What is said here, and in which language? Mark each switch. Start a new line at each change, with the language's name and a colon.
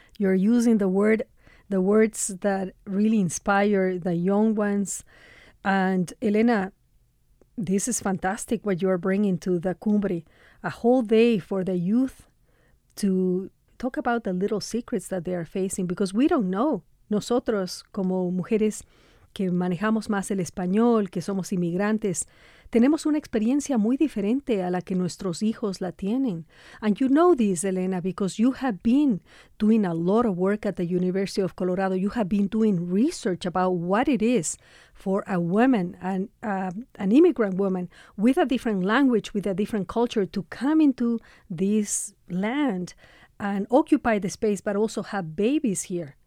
English: You're using the words that really inspire the young ones. And Elena, this is fantastic what you are bringing to the Cumbre, a whole day for the youth to talk about the little secrets that they are facing, because we don't know.
Spanish: Nosotros, como mujeres que manejamos más el español, que somos inmigrantes, tenemos una experiencia muy diferente a la que nuestros hijos la tienen.
English: And you know this, Elena, because you have been doing a lot of work at the University of Colorado. You have been doing research about what it is for a woman, an immigrant woman, with a different language, with a different culture, to come into this land and occupy the space, but also have babies here.